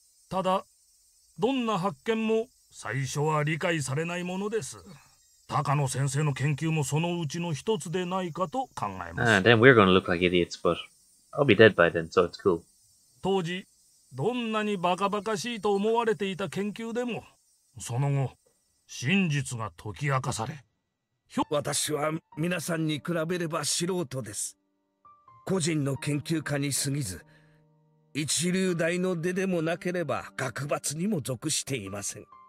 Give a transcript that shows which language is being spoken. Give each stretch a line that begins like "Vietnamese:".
Japanese: ただ、どんな発見も最初は理解されないものです。高野先生の研究もそのうちの一つでないかと考えます。
English: Ah, then we're gonna look like idiots, but I'll be dead by then, so it's cool.
Japanese: 当時、どんなにバカバカしいと思われていた研究でも、その後、真実が解き明かされ。私は皆さんに比べれば素人です。個人の研究家に過ぎず、一流大の出でもなければ学閥にも属していません。